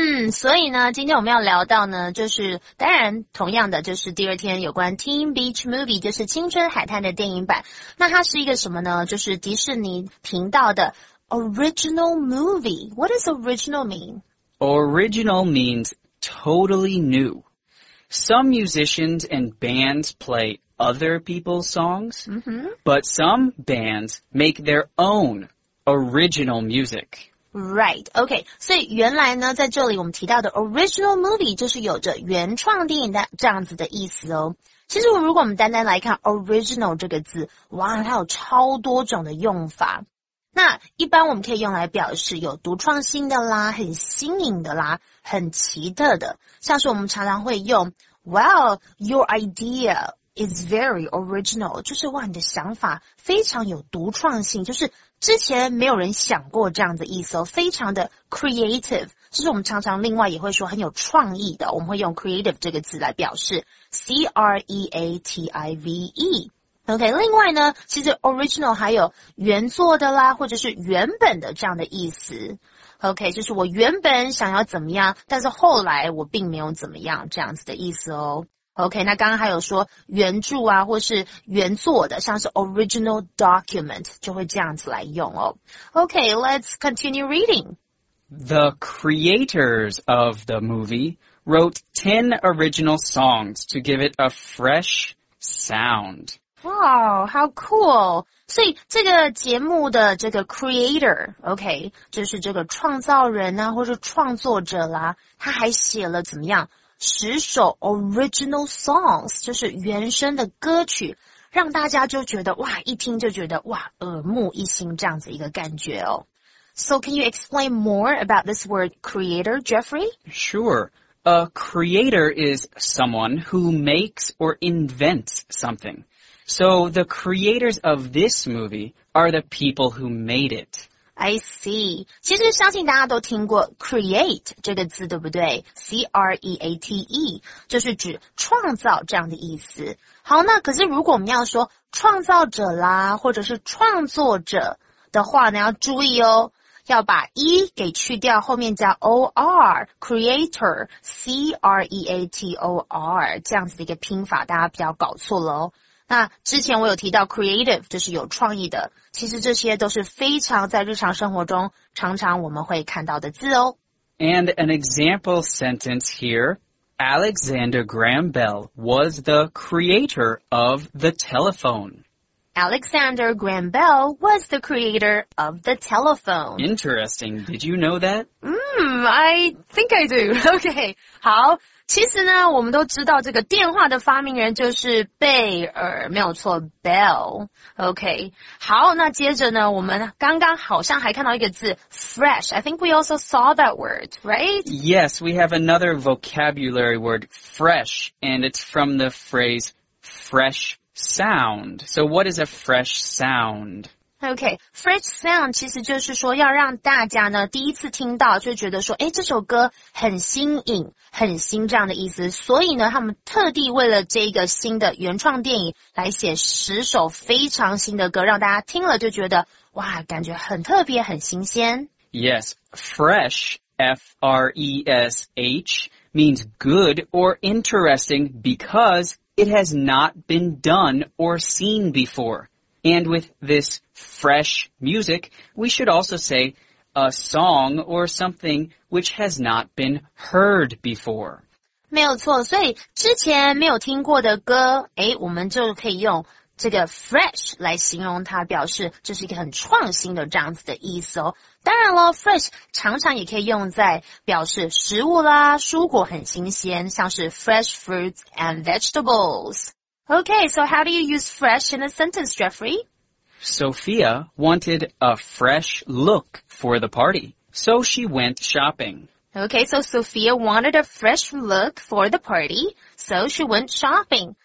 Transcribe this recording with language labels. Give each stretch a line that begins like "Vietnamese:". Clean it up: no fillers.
Chinese: 所以呢今天我们要聊到呢就是当然同样的就是第二天有关 Teen Beach Movie, 就是青春海滩的电影版。那它是一个什么呢就是迪士尼频道的 Original Movie。
English: What does Original mean? Original means totally new. Some musicians and bands play other people's songs,、but some bands make their own original music. Right, okay.
Chinese: 所以原来呢在这里我们提到的 original movie 就是有着原创电影的这样子的意思哦。其实如果我们单单来看 original 这个字哇它有超多种的用法。那一般我们可以用来表示有独创性的啦很新颖的啦很奇特的。像是我们常常会用
English: Well, your idea is very original,
Chinese: 就是哇你的想法非常有独创性就是之前没有人想过这样的意思哦，非常的 creative， 就是我们常常另外也会说很有创意的，我们会用 creative 这个字来表示 C-R-E-A-T-I-V-E。 OK， 另外呢，其实 original 还有原作的啦，或者是原本的这样的意思。 OK， 就是我原本想要怎么样，但是后来我并没有怎么样这样子的意思哦。 OK， 那刚刚还有说原著啊，或是原作的，像是 original document 就会这样子来用哦。
English: OK， let's continue reading. The creators of the movie wrote 10 original songs to give it a fresh sound. Wow, how cool.
Chinese: 所以这个节目的这个 creator, OK, 就是这个创造人啊或是创作者啦，他还写了怎么样十首 original songs, 就是原声的歌曲，让大家就觉得哇，一听就觉得哇，耳目一新这样子一个感觉哦。
English: So can you explain more about this word creator, Jeffrey? Sure. A creator is someone who makes or invents something. So the creators of this movie are the people who made it. I see.
Chinese: 其实相信大家都听过 create 这个字对不对 ?C-R-E-A-T-E, 就是指创造这样的意思。好，那可是如果我们要说创造者啦或者是创作者的话呢，要注意哦，要把 E 给去掉，后面加 O-R, creator, C-R-E-A-T-O-R, 这样子的一个拼法大家不要搞错了哦。那之前我有提到 creative 就是有创意的，其实这些都是非常在日常生活中常常我们会看到的字哦。
English: And an example sentence here, Alexander Graham Bell was the creator of the telephone. Alexander Graham Bell was the creator of the telephone. Interesting, did you know that? I think I do.
Chinese: Okay, 好，其实呢我们都知道这个电话的发明人就是贝尔，没有错， Bell。 OK， 好，那接着呢我们刚刚好像还看到一个字 fresh，
English: I think we also saw that word, right? Yes, we have another vocabulary word fresh, and it's from the phrase fresh sound. So what is a fresh sound
Chinese: OK, fresh sound 其实就是说要让大家呢第一次听到就觉得说诶这首歌很新颖很新这样的意思，所以呢他们特地为了这个新的原创电影来写十首非常新的歌，让大家听了就觉得哇感觉很特别很新鲜。
English: Yes, fresh, F-R-E-S-H, means good or interesting because it has not been done or seen beforeAnd with this fresh music, we should also say a song or something which has not been heard before.
Chinese: 没有错，所以之前没有听过的歌，诶，我们就可以用这个 fresh 来形容它，表示这是一个很创新的这样子的意思哦。当然了 ，fresh 常常也可以用在表示食物啦，蔬果很新鲜，像是
English: fresh fruits and vegetables. Okay, so how do you use fresh in a sentence, Jeffrey? Sophia wanted a fresh look for the party, so she went shopping. Okay, so Sophia wanted a fresh look for the party, so she went shopping.